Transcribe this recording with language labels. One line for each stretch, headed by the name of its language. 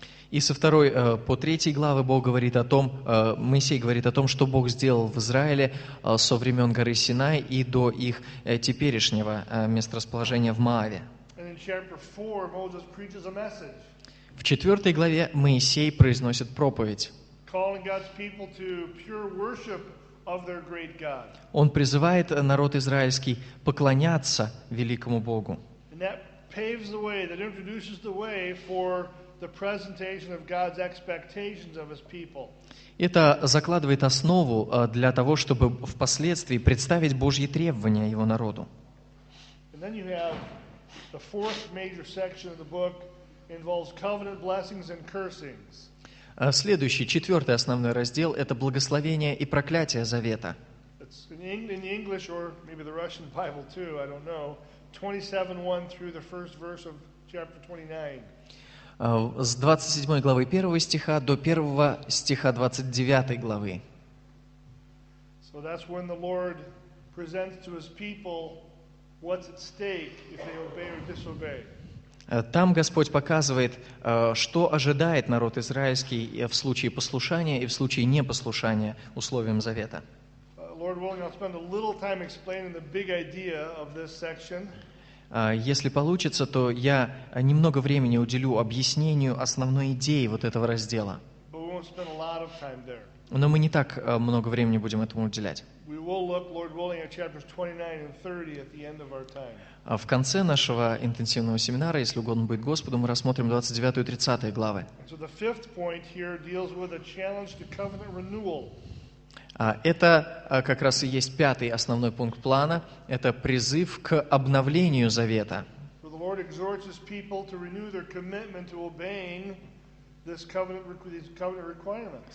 Russian: И со второй по третьей главы Бог говорит о том, Моисей говорит о том, что Бог сделал в Израиле со времен горы Синай и до их теперешнего месторасположения в Мааве.
English: In chapter 4, Moses preaches a message.
Russian: В четвертой главе Моисей произносит проповедь.
English: Calling God's people to pure worship of their great God.
Russian: Он призывает народ израильский поклоняться великому Богу.
English: And that paves the way, that introduces the way for the presentation of God's expectations of his people.
Russian: Это закладывает основу для того, чтобы впоследствии представить Божьи требования его народу.
English: And then you have the fourth major section of the book involves covenant blessings and cursings.
Russian: Следующий, четвертый основной раздел – это благословение и проклятие завета.
English: It's in English, or maybe the Russian Bible too, I don't know, 27:1 through the first verse of chapter 29.
Russian: С 27 главы 1 стиха до 1 стиха 29 главы.
English: So that's when the Lord presents to his people what's at stake if they obey or disobey.
Russian: Там Господь показывает, что ожидает народ израильский в случае послушания и в случае непослушания условиям завета.
English: Lord willing, I'll spend a little time explaining the big idea of this section.
Russian: Если получится, то я немного времени уделю объяснению основной идеи вот этого раздела.
English: But we won't spend a lot of time there.
Russian: Но мы не так много времени будем этому уделять.
English: We will look, Lord willing, at chapters 29 and 30 at the end of our time.
Russian: В конце нашего интенсивного семинара, если угодно будет Господу, мы рассмотрим 29 и 30 главы.
English: So the fifth point here deals with a challenge to covenant renewal.
Russian: Это как раз и есть пятый основной пункт плана. Это призыв к обновлению завета.
English: So the Lord exhorts his people to renew their commitment to obeying these covenant requirements.